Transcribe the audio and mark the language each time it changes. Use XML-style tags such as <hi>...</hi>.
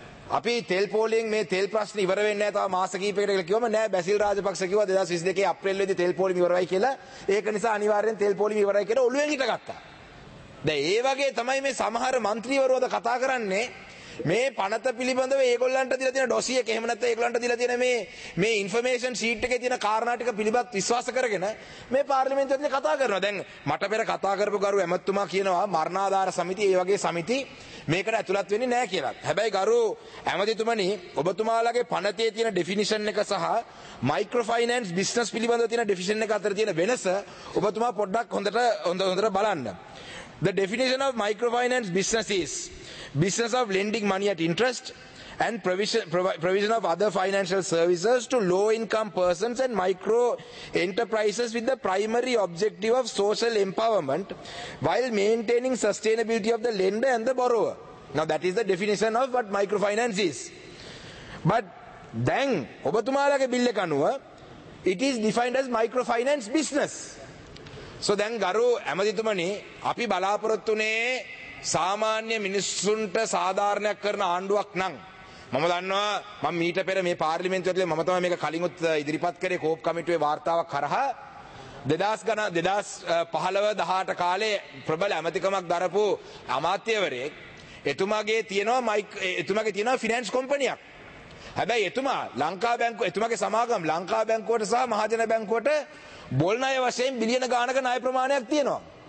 <si>අපි තෙල් පෝලියෙන් මේ තෙල් ප්‍රශ්නේ ඉවර වෙන්නේ නැහැ තව මාස කිහිපයකට කියලා කිව්වම නෑ බැසිල් රාජපක්ෂ කිව්වා 2022 අප්‍රේල් වෙද්දී තෙල් පෝලියම ඉවරයි කියලා ඒක නිසා අනිවාර්යෙන් තෙල් පෝලියම ඉවරයි කියලා ඔළුවෙන් හිටගත්තා දැන් ඒ වගේ තමයි මේ සමහර මන්ත්‍රීවරු අද කතා කරන්නේ මේ පනත පිළිබඳව ඒගොල්ලන්ට දීලා තියෙන ඩොසියෙක එහෙම නැත්නම් ඒගොල්ලන්ට දීලා තියෙන මේ ইনফরমේෂන් ෂීට් එකේ තියෙන කාරණා ටික පිළිබඳව විශ්වාස කරගෙන මේ පාර්ලිමේන්තුවේ දී කතා කරනවා දැන් මට පෙර කතා කරපු ගරු ඇමතුමා කියනවා මරණාධාර සමිතිය ඒ වගේ සමಿತಿ මේකට ඇතුළත් වෙන්නේ නැහැ කියලා. හැබැයි ගරු ඇමතිතුමනි ඔබතුමාලගේ පනතේ තියෙන ඩෙෆිනිෂන් එක සහ මයික්‍රෝ ෆයිනෑන්ස් බිස්නස් පිළිබඳව තියෙන ඩෙෆිනිෂන් එක අතර තියෙන වෙනස ඔබතුමා පොඩ්ඩක් හොඳට බලන්න.</si> <en>The definition of microfinance business is business of lending money at interest and provision of other financial services to low income persons and micro enterprises with the primary objective of social empowerment while maintaining sustainability of the lender and the borrower. Now that is the definition of what microfinance is. But then</en> <si>obathumalage bill ek anuwa</si> <en>it is defined as microfinance business.</en> <si>So then garu ඇමතිතුමනි අපි බලාපොරොත්තුනේ සාමාන්‍ය මිනිස්සුන්ට සාධාරණයක් කරන ආණ්ඩුවක් නම් මම දන්නවා මම මීට පෙර මේ පාර්ලිමේන්තුවේදී මම තමයි මේක කලින්ුත් ඉදිරිපත් කරේ කෝප් කමිටුවේ වාර්තාවක් කරහා 2015-18 කාලේ ප්‍රබල ඇමතිකමක් දරපු අමාත්‍යවරයෙක් එතුමාගේ තියෙනවා ෆිනෑන්ස් කම්පනියක් හැබැයි එතුමා ලංකා බැංකුව එතුමාගේ සමාගම් ලංකා බැංකුවට සහ මහජන බැංකුවට බොල් ණය වශයෙන් බිලියන ගානක ණය ප්‍රමාණයක් තියෙනවා</si>